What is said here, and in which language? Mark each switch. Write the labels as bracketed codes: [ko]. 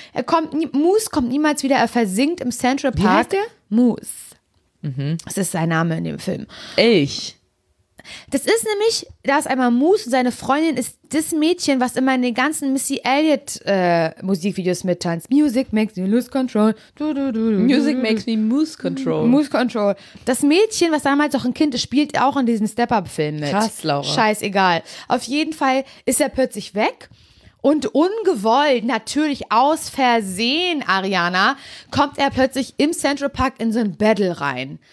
[de] Er kommt, Moose kommt niemals wieder. Er versinkt im Central Park. Wie heißt der? Moose. Mhm. Das ist sein Name in dem Film. Ich. Das ist nämlich, da ist einmal Moose und seine Freundin ist das Mädchen, was immer in den ganzen Missy Elliott Musikvideos mittanzt. [en] Music makes me lose control. Du, du, du, du. Music makes me moose control. Moose control. [de] Das Mädchen, was damals auch ein Kind ist, spielt auch in diesen Step-Up-Film mit. Krass, Laura. Scheißegal. Auf jeden Fall ist er plötzlich weg. Und ungewollt, natürlich aus Versehen, Ariana, kommt er plötzlich im Central Park in so ein Battle rein.